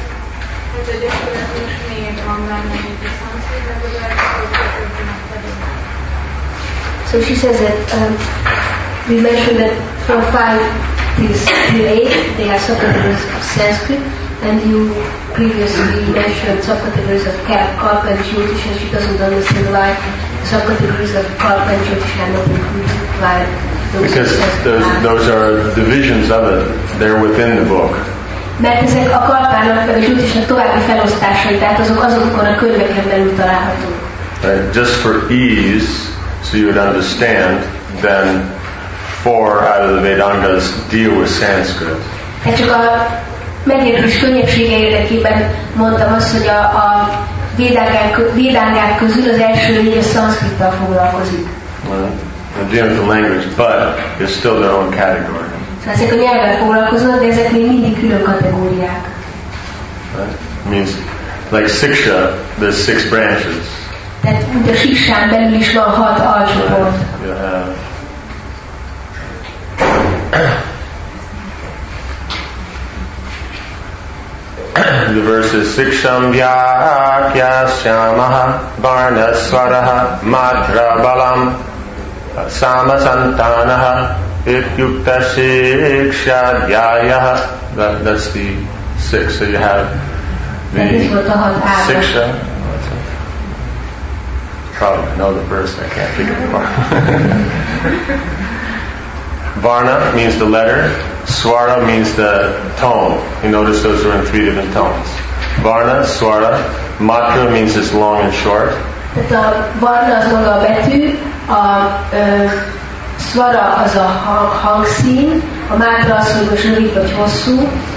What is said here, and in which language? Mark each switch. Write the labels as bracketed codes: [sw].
[hu] Többinek, tehát a Jyotishnak meg ezeknek a csoportjai, és hogy akkor ez, hogy egyébként most miért van benne, hogy a szanszkritnek az első csoportjai. [en] So she says that we mentioned that four or five things you ate, they are subcategories of Sanskrit, and you previously mentioned subcategories of Kalpa and Jyotisha. She doesn't understand why subcategories of Kalpa and Jyotisha are not included by those. Because those are divisions of it, they're within the book. [hu] Mert ezek a kalpának, a Jyotisnak további felosztásai, tehát azok azokon a könyveken belül találhatók. [en] Right. Just for ease, so you would understand, then four out of the Vedangas deal with Sanskrit. [hu] Hát csak a megértés könnyebbsége érdekében mondtam azt, hogy a Vedangák közül az első négy a Sanskrittal foglalkozik. [en] Well, dealing with the language, but it's still their own category. [hu] Szóval ezek a nyelvvel foglalkoznak, de ezek még mindig külön kategóriák. [en] Right. Means, like Siksha, there's six branches. [hu] Tehát úgy a Siksán belül is van hat alcsoport. [en] The verse is [sa] Siksham Vyakya Shyamaha Varna Swaraha Madhra Balam Sama Santanaha Ityukta Siksha Vyayaha. [en] That's the six. So you have the Siksha. Probably know the verse, I can't think of it. Varna means the letter. Swara means the tone. You notice those are in three different tones. Varna, swara. Matra means it's long and short. [hu] Tehát a varna az maga a betű, a swara az a hangszín, a matra az, hogy most rövid vagy hosszú.